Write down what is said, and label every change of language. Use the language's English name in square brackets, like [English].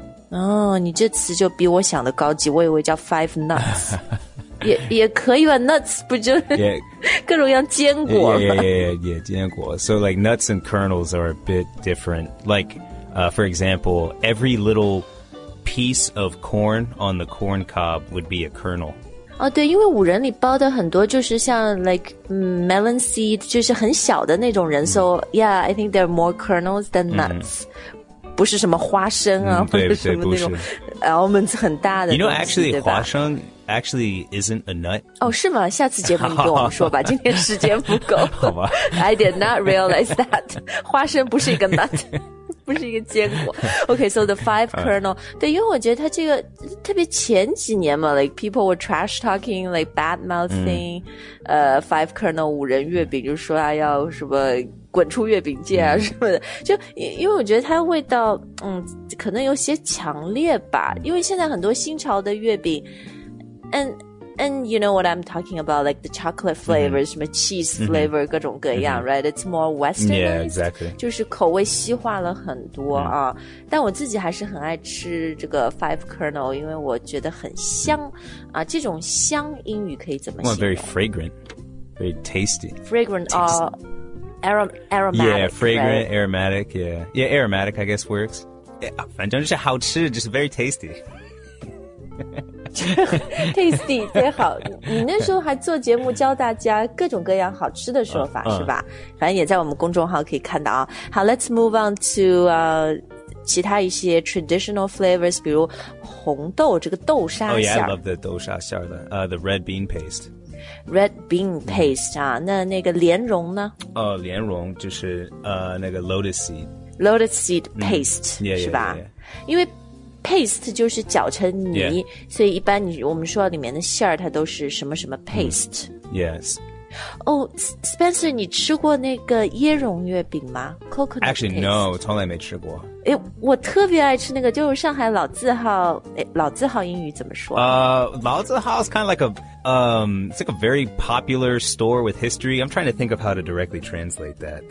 [Chinese] 哦，你这词就比我想的高级，我以为叫 five nuts. 也可以吧 ,nuts 不就是、 [English] yeah. [Chinese] 各种样坚果吗 yeah, 坚果。 [English] So like nuts and kernels are a bit different. Like,for example, every little piece of corn on the corn cob would be a kernel. [Chinese] 哦对因为五仁里包的很多就是像 [English] like melon seed, [Chinese] 就是很小的那种仁、 [English] So yeah, I think there are more kernels than nuts. [Chinese] 不是什么花生啊对或者什么那种 almonds 很大的 [English] You know, actually, 花生 actually isn't a nut. [Chinese] 哦是吗下次节目你跟我们说吧今天时间不够。好吧。 [English] I did not realize that. [Chinese] 花生不是一个 nut, 不是一个坚果。 [English] Okay, so the five kernel. [Chinese] 对因为我觉得它这个特别前几年嘛 [English] like people were trash talking, like bad mouthing,five kernel, [Chinese] 五仁月饼就说啊要什么滚出月饼界啊什么的就因为我觉得它味道可能有些强烈吧因为现在很多新潮的月饼 [English] and you know what I'm talking about like the chocolate flavor 什么 cheese flavor 各种各样 right it's more western yeah exactly [Chinese] 就是口味西化了很多啊但我自己还是很爱吃这个 five kernel 因为我觉得很香啊这种香英语可以怎么形容 [English] very fragrant very tasty fragrant aromatic. Yeah, fragrant,、 right? aromatic, yeah. Yeah, aromatic, I guess, works. Yeah, [Chinese] 反正就是好吃 [English] just very tasty. [Chinese] tasty, 最好。你那时候还做节目教大家各种各样好吃的说法是吧反正也在我们公众号可以看到啊。好 [English] let's move on to, [Chinese] 其他一些 traditional flavors, 比如红豆这个豆沙馅。 [English] Oh, yeah, I love the 豆沙馅的。 The red bean paste. [Chinese] Red bean paste 啊那个莲蓉呢莲蓉就是那个 lotus seed [English] Lotus seed paste 是吧 yeah. [Chinese] 因为 paste 就是搅成泥、 [English] yeah. [Chinese] 所以一般我们说里面的馅儿它都是什么什么 paste、 [English] Yes [Chinese] Spencer 你吃过那个椰蓉月饼吗 Coconut [English] Actually no [Chinese] 从来没吃过我特别爱吃那个就是上海老字号老字号英语怎么说 [English] 老字号 is kind of like it's like a very popular store with history. I'm trying to think of how to directly translate that.